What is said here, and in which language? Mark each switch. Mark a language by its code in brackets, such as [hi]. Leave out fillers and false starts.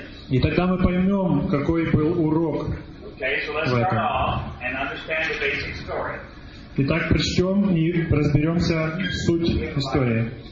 [ru] И тогда мы поймем, какой был урок [en] Okay, so let's start off and understand the basic story. [ru] Итак, прочтем и разберемся в суть истории.